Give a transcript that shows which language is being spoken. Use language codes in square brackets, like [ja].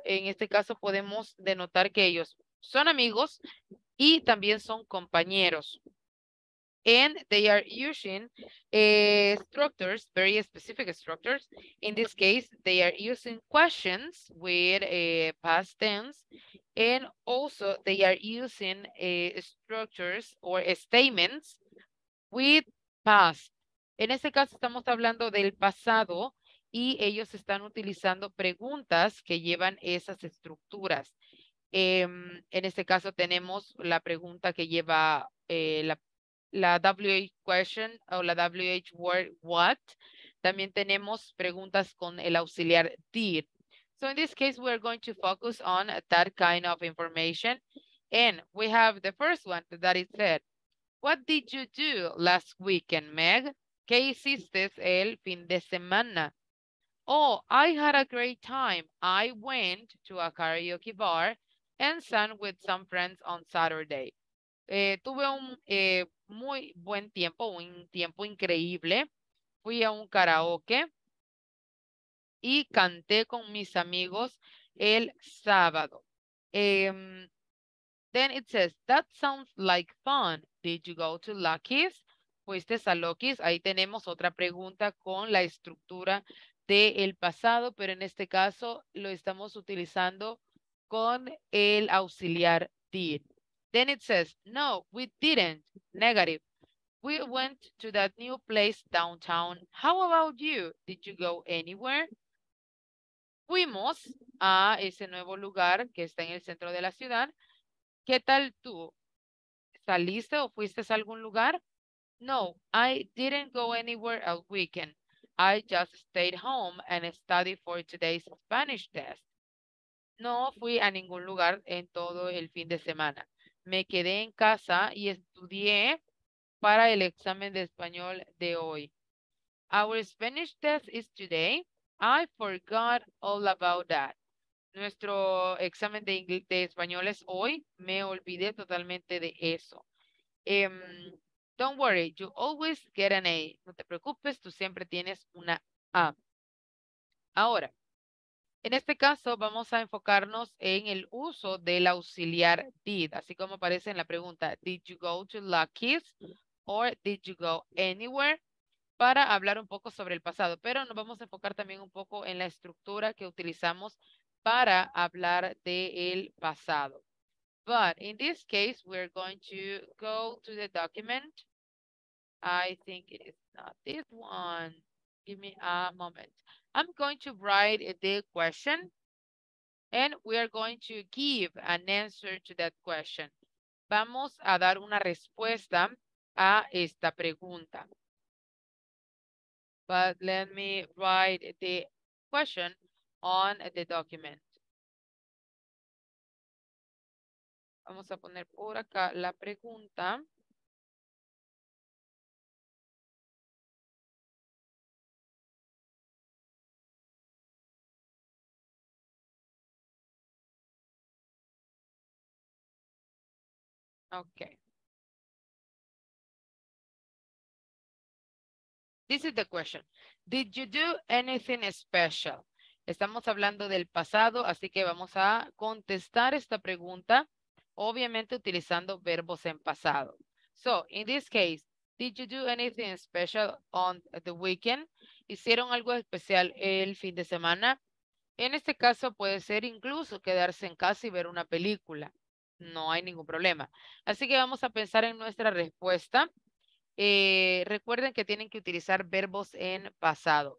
[es] En este caso podemos denotar que ellos son amigos y también son compañeros. [en] And they are using structures, very specific structures. In this case, they are using questions with a past tense. And also they are using structures or statements with past. [es] En este caso, estamos hablando del pasado y ellos están utilizando preguntas que llevan esas estructuras. En este caso, tenemos la pregunta que lleva la WH question o la WH word what. También tenemos preguntas con el auxiliar did. [en] So in this case, we're going to focus on that kind of information. And we have the first one that is said, what did you do last weekend, Meg? [es] ¿Qué hiciste el fin de semana? [en] Oh, I had a great time. I went to a karaoke bar and sang with some friends on Saturday. [es] Tuve un muy buen tiempo, un tiempo increíble. Fui a un karaoke y canté con mis amigos el sábado. [en] Then it says, that sounds like fun. Did you go to Lucky's? [es] ¿Fuiste a Lucky's? Ahí tenemos otra pregunta con la estructura del pasado, pero en este caso lo estamos utilizando con el auxiliar did. [en] Then it says, no, we didn't. Negative. We went to that new place downtown. How about you? Did you go anywhere? [es] fuimos a ese nuevo lugar que está en el centro de la ciudad. ¿Qué tal tú? ¿Saliste o fuiste a algún lugar? [en] No, I didn't go anywhere all weekend. I just stayed home and studied for today's Spanish test. [es] No fui a ningún lugar en todo el fin de semana. Me quedé en casa y estudié para el examen de español de hoy. [en] Our Spanish test is today. I forgot all about that. [es] Nuestro examen de español es hoy. Me olvidé totalmente de eso. [en] Don't worry, you always get an A. [es] No te preocupes, tú siempre tienes una A. Ahora, en este caso vamos a enfocarnos en el uso del auxiliar did, así como aparece en la pregunta, [en] did you go to Lucky's or did you go anywhere? [es] Para hablar un poco sobre el pasado, pero nos vamos a enfocar también un poco en la estructura que utilizamos para hablar del pasado. [en] But in this case, we're going to go to the document. I think it is not this one. Give me a moment. I'm going to write the question and we are going to give an answer to that question. [es] Vamos a dar una respuesta a esta pregunta. [en] But let me write the question on the document. [es] Vamos a poner por acá la pregunta. [en] Okay. This is the question. Did you do anything special? [es] Estamos hablando del pasado, así que vamos a contestar esta pregunta, obviamente utilizando verbos en pasado. [en] So, in this case, did you do anything special on the weekend? [es] ¿Hicieron algo especial el fin de semana? En este caso, puede ser incluso quedarse en casa y ver una película. No hay ningún problema. Así que vamos a pensar en nuestra respuesta. Recuerden que tienen que utilizar verbos en pasado.